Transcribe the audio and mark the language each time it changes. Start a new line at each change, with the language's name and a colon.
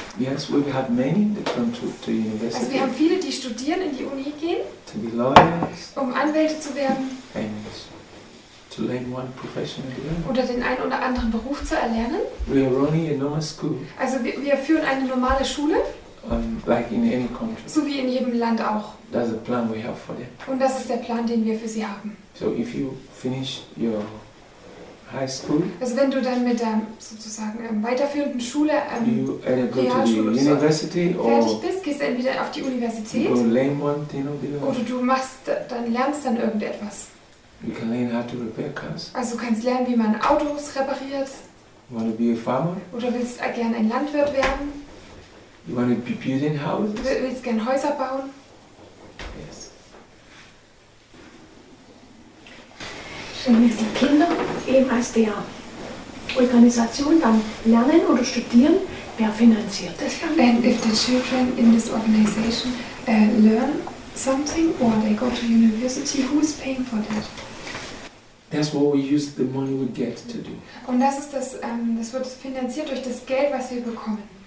English: Yes, we have many that come to university.
German: Also wir haben viele, die studieren, in die Uni gehen,
English: to be lawyers,
German: um Anwälte zu werden.
English: And to learn one profession to learn.
German: Oder den einen oder anderen Beruf zu erlernen.
English: We are running a normal school.
German: Also wir führen eine normale Schule.
English: Like in any country.
German: So wie in jedem Land auch.
English: That's the plan we have for them.
German: Und das ist der Plan, den wir für sie haben.
English: So if you finish your high school,
German: also wenn du dann mit der sozusagen weiterführenden Schule fertig bist, gehst du entweder auf die Universität oder du machst, dann lernst dann irgendetwas.
English: You can learn how to repair cars.
German: Also kannst lernen, wie man Autos repariert.
English: You want to be a farmer?
German: Oder willst gerne ein Landwirt werden?
English: You want to be building houses?
German: Willst gerne Häuser bauen?
English: Yes.
German: Wenn jetzt die Kinder eben aus der Organisation dann lernen oder studieren, wer finanziert das dann?
English: And if the children in this organization learn something or they go to university, who is paying for that? That's what we use the money we get to do.
German: Und das ist das, das wird finanziert durch das Geld, was wir bekommen.